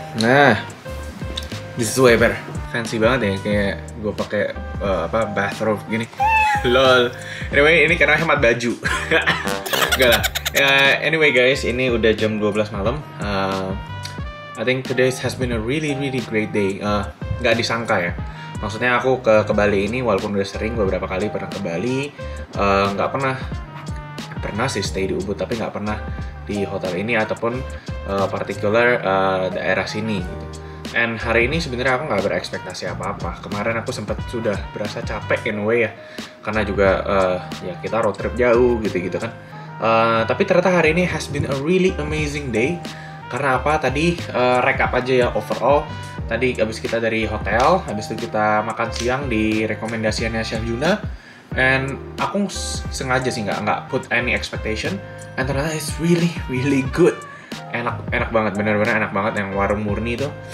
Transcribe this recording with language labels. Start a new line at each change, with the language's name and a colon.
Indonesian: Nah,
English: this is way better.
Indonesian: Fancy banget ya, kayak gue pakai apa bathrobe gini. Lol. Anyway, ini karena hemat baju. Gak lah. Anyway guys, ini udah jam 12 malam.
English: I think today has been a really really great day.
Indonesian: Gak disangka ya. Maksudnya aku ke Bali ini, walaupun udah sering beberapa kali pernah ke Bali, gak pernah. Pernah sih stay di Ubud, tapi gak pernah di hotel ini ataupun particular daerah sini. And hari ini sebenarnya aku gak berekspektasi apa-apa. Kemarin aku sempat sudah berasa capek
English: in a way
Indonesian: ya, karena juga ya kita road trip jauh gitu-gitu kan. Tapi ternyata hari ini
English: has been a really amazing day.
Indonesian: Karena apa? Tadi recap aja ya overall. Tadi abis kita dari hotel, abis itu kita makan siang di rekomendasiannya Chef Juna. And aku sengaja sih nggak
English: put any expectation.
Indonesian: And ternyata
English: it's really really good.
Indonesian: Enak banget, benar-benar enak banget yang warung murni itu.